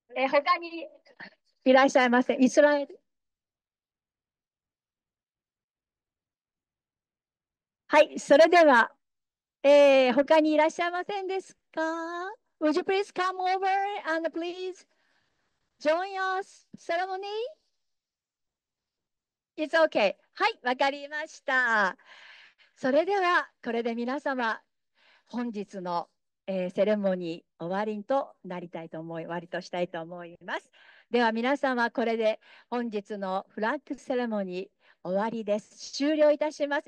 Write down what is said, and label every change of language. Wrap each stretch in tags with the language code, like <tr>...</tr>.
<ja>他にいらっしゃいませ。イスラエル。はい、それでは。他にいらっしゃいませんですか?</ja> <en>Would you please come over and please join us ceremony? It's okay.</en> <ja>はい、わかりました。それでは、これで皆様、本日の、セレモニー終わりとなりたいと思い、終わりとしたいと思います。では皆様、これで本日のフラッグセレモニー終わりです。終了いたします。</ja>